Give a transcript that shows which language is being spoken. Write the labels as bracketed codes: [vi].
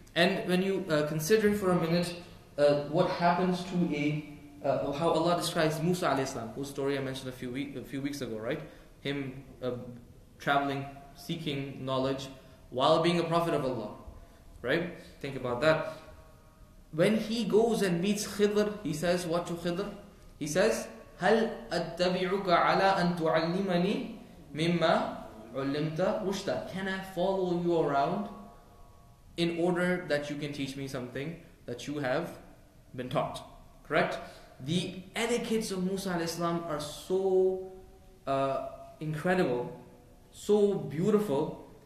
[en] And when you consider for a minute what happens to a how Allah describes Musa alayhi salam, whose story I mentioned a few weeks ago, right? Him traveling, seeking knowledge while being a prophet of Allah, right? Think about that. When he goes and meets Khidr, he says what to Khidr? He says, [ar] هَلْ أَتَّبِعُكَ عَلَىٰ أَن تُعَلِّمَنِي مِمَّا عُلِّمْتَ رُشْدًا. [en] Can I follow you around in order that you can teach me something that you have been taught? Correct? The etiquettes of Musa al-Islam are so incredible, so beautiful.